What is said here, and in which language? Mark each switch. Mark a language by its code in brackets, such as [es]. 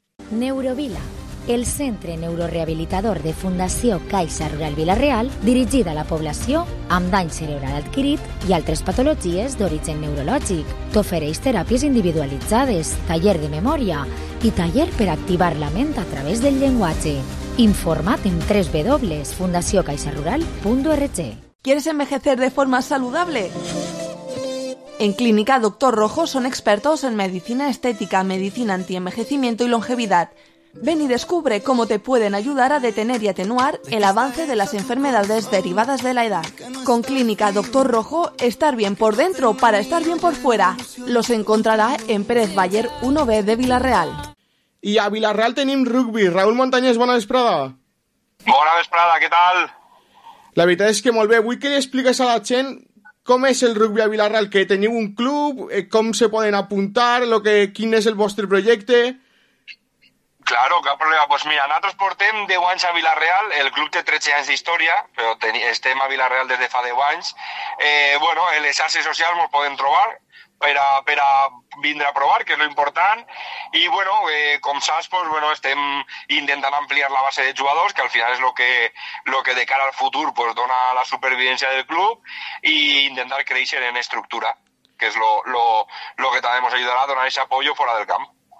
[ca] Neurovila, el centre neurorehabilitador de Fundació Caixa Rural Vila-real, dirigida a la població amb dany cerebral adquirit i altres patologies d'origen neurològic. T'ofereix teràpies individualitzades, taller de memòria i taller per activar la ment a través del llenguatge. Informa't en www.fundaciocaixarural.org. [es] ¿Quieres envejecer de forma saludable? En Clínica Doctor Rojo son expertos en medicina estética, medicina antienvejecimiento y longevidad. Ven y descubre cómo te pueden ayudar a detener y atenuar el avance de las enfermedades derivadas de la edad. Con Clínica Doctor Rojo, estar bien por dentro para estar bien por fuera. Los encontrará en Pérez Bayer 1B de Vila-real. Y a Vila-real tenemos rugby. Raúl Montañés, buena vesprada. Buena vesprada, ¿qué tal? La verdad es que muy bien. Hoy quería explicar a la Chen cómo es el rugby a Vila-real, que tenéis un club, cómo se pueden apuntar, lo que, quién es el vuestro proyecto. [ca] Claro, cap problema. Pues mira, nosotros portem 10 anys a Vila-real, el club té 13 anys d'història, però estem a Vila-real des de fa 10 anys. Bueno, en les xarxes socials ens poden trobar per a vindre a provar, que és l'important. I bueno, com saps, pues, bueno, estem intentant ampliar la base de jugadors, que al final és el que de cara al futur pues, dona la supervivència del club, i intentar créixer en estructura, que és el que també ens ajudarà a donar aquest apoyo fora del camp.